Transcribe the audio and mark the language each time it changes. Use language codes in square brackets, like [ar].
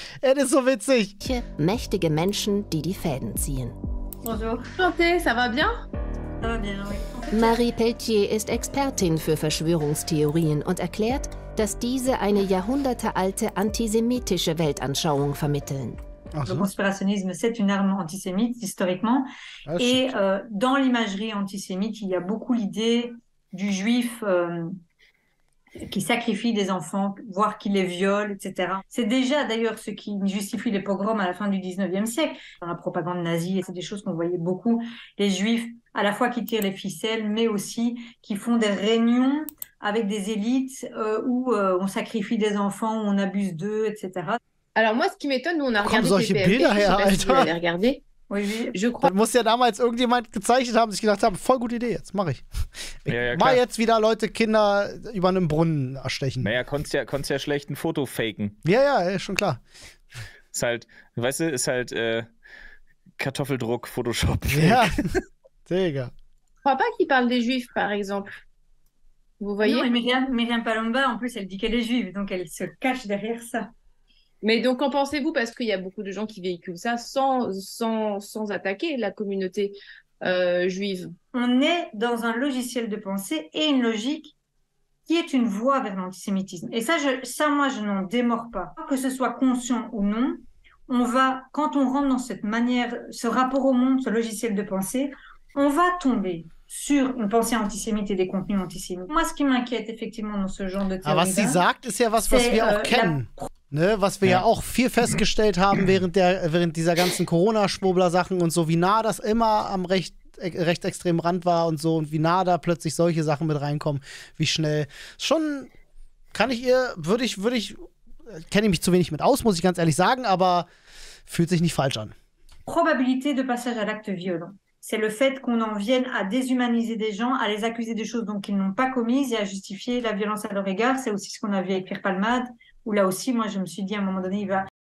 [de] Er ist so witzig. Mächtige Menschen, die die Fäden ziehen. [fr] Bonjour. Santé, ça va bien? Ça va bien, oui. [de] Marie Pelletier ist Expertin für Verschwörungstheorien und erklärt, dass diese eine jahrhundertealte antisemitische Weltanschauung vermitteln. [fr] Le conspirationnisme, c'est une arme antisémite, historiquement. Et dans l'imagerie antisémite, il y a beaucoup l'idée du juif qui sacrifie des enfants, voire qui les viole, etc. C'est déjà d'ailleurs ce qui justifie les pogroms à la fin du 19e siècle. Dans la propagande nazie, c'est des choses qu'on voyait beaucoup. Les juifs, à la fois qui tirent les ficelles, mais aussi qui font des réunions avec des élites où on sacrifie des enfants, où on abuse d'eux, etc. Alors moi, ce qui m'étonne, nous, on a regardé [de] solche PFP, Bilder her, [fr] je sais pas, si vous regardé. Oui, oui. Je crois. [de] Dann muss ja damals irgendjemand gezeichnet haben, sich gedacht haben, voll gute Idee, jetzt mache ich. Mal jetzt wieder Leute, Kinder über einen Brunnen erstechen. Naja, konntest ja schlecht ein Foto faken. Ja, ist schon klar. Ist halt, weißt du, ist halt Kartoffeldruck, Photoshop. Ja, Digga. [fr] Ich crois pas qu'il parle des Juifs, par exemple. Vous voyez? Non, et Myriam Palomba, en plus, elle dit qu'elle est juive, donc elle se cache derrière ça. Mais donc, qu'en pensez-vous? Parce qu'il y a beaucoup de gens qui véhiculent ça sans attaquer la communauté juive. On est dans un logiciel de pensée et une logique qui est une voie vers l'antisémitisme. Et ça, moi, je n'en démords pas. Que ce soit conscient ou non, on va, quand on rentre dans cette manière, ce rapport au monde, ce logiciel de pensée, on va tomber sur une pensée antisémite et des contenus antisémites. Moi, ce qui m'inquiète effectivement dans ce genre de théorie... [de] Was sie sagt, ist ja was, was wir auch kennen. Ne, was wir ja auch viel festgestellt haben während dieser ganzen Corona-Schwurbler-Sachen und so, wie nah das immer am rechtsextremen Rand war und so, und wie nah da plötzlich solche Sachen mit reinkommen, wie schnell. Schon kann ich ihr, würde ich, kenne ich mich zu wenig mit aus, muss ich ganz ehrlich sagen, aber fühlt sich nicht falsch an. [fr] Probabilité de passage à l'acte violent. C'est le fait qu'on en vienne à déshumaniser des gens, à les accuser de choses dont ils n'ont pas commises et à justifier la violence à leur égard. C'est aussi ce qu'on a vu avec Pierre Palmade, où là aussi, moi, je me suis dit à un moment donné, il va...